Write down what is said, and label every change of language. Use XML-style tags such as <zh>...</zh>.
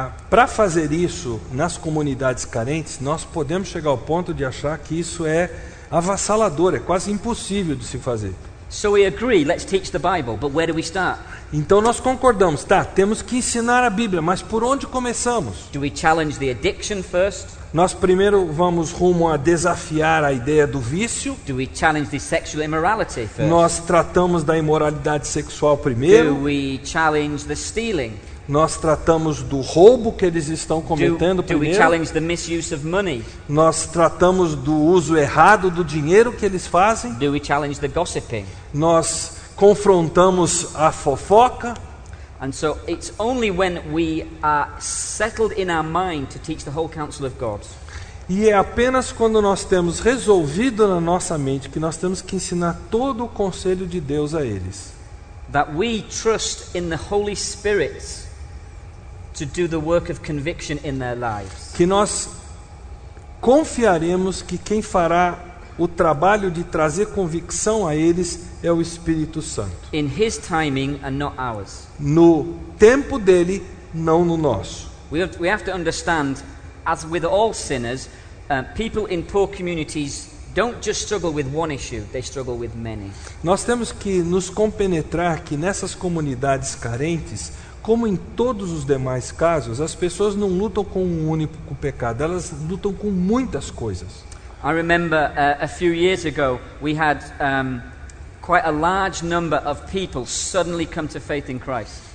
<pt>Para fazer isso nas comunidades carentes, nós podemos chegar ao ponto de achar que isso é avassalador, é quase impossível de se fazer.</pt> <en>So we agree, let's teach the Bible, but where do we start?</en> <pt>Então nós concordamos, tá? Temos que ensinar a Bíblia, mas por onde começamos?</pt> <en>Do we challenge the addiction first?</en> <pt>Nós primeiro vamos rumo a desafiar a ideia do vício.</pt> <en>Do we challenge the sexual immorality first?</en> <pt>Nós tratamos da imoralidade sexual primeiro.</pt> <en>Do we challenge the stealing?</en> <pt>Nós tratamos do roubo que eles estão cometendo primeiro.</pt> <en>Do we challenge the misuse of money?</en> <pt>Nós tratamos do uso errado do dinheiro que eles fazem.</pt> <en>Do we challenge the gossiping?</en> <pt>Nós confrontamos a fofoca.</pt> <en>And so it's only when we are settled in our mind to teach the whole counsel of God.</en> <pt>E é apenas quando nós temos resolvido na nossa mente que nós temos que ensinar todo o conselho de Deus a eles.</pt> <en>that we trust in the Holy Spirit to do the work of conviction in their lives.</en> <pt>Que nós confiaremos que quem fará o trabalho de trazer convicção a eles é o Espírito Santo.</pt> <en>In his timing and not ours.</en> <pt>No tempo dele, não no nosso.</pt> <en>We have to understand, as with all sinners, people in poor communities don't just struggle with one issue, they struggle with many.</en> <pt>Nós temos que nos compenetrar que nessas comunidades carentes, como em todos os demais casos, as pessoas não lutam com um único pecado, elas lutam com muitas coisas.</pt> <en>I remember a few years ago we had quite a large number of people suddenly come to faith in Christ.</en>